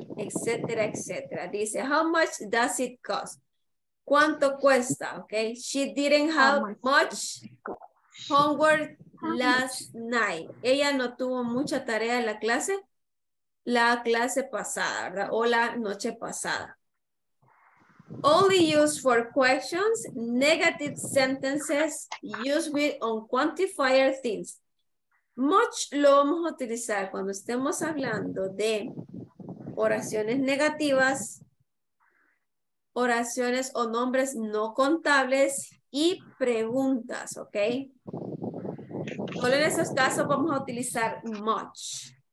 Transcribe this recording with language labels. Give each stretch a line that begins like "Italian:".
Spanish: Etcétera, etcétera. Dice,
English: how much does it cost?
Spanish: ¿Cuánto cuesta?
English: Okay. She didn't have much homework last night.
Spanish: Ella no tuvo mucha tarea en la clase pasada, ¿verdad? O la noche pasada.
English: Only used for questions, negative sentences, used with unquantifier things.
Spanish: Much lo vamos a utilizar cuando estemos hablando de oraciones negativas, oraciones o nombres no contables y preguntas, ¿ok? Solo en esos casos vamos a utilizar much.